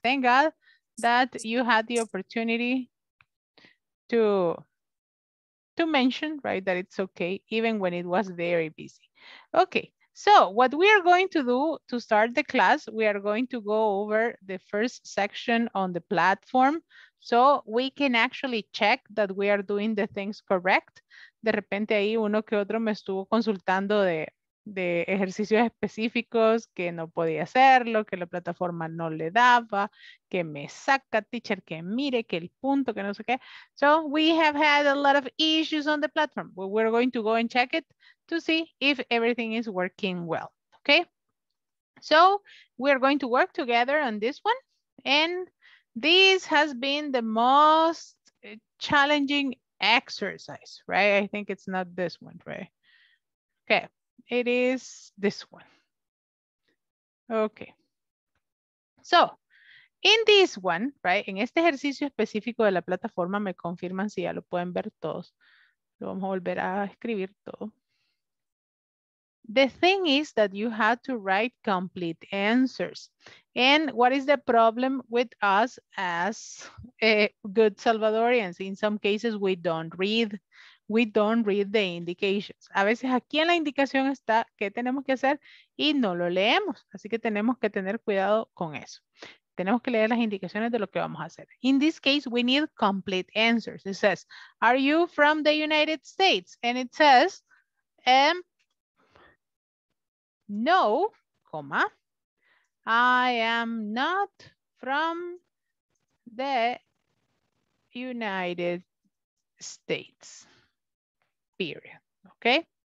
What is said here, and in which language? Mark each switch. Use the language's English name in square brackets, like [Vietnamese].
[English] Thank God that you had the opportunity to mention, right, that it's okay, even when it was very busy. Okay, so what we are going to do to start the class, we are going to go over the first section on the platform so we can actually check that we are doing the things correct. [Spanish] De repente ahí uno que otro me estuvo consultando de ejercicios específicos que no podía hacerlo, que la plataforma no le daba, que me saca, teacher, que mire, que el punto, que no sé qué. [English] So we have had a lot of issues on the platform. But we're going to go and check it to see if everything is working well, okay? So we're going to work together on this one. And this has been the most challenging exercise, right? I think it's not this one, right? Okay. It is this one. Okay. So, in this one, right, [Spanish] en este ejercicio específico de la plataforma, me confirman si ya lo pueden ver todos. Lo vamos a volver a escribir todo. [English] The thing is that you have to write complete answers. And what is the problem with us as good Salvadorians? In some cases, we don't read. We don't read the indications. [Spanish] A veces aquí en la indicación está qué tenemos que hacer y no lo leemos. Así que tenemos que tener cuidado con eso. Tenemos que leer las indicaciones de lo que vamos a hacer. [English] In this case, we need complete answers. It says, are you from the United States? And it says, no, comma, I am not from the United States. Period. Okay.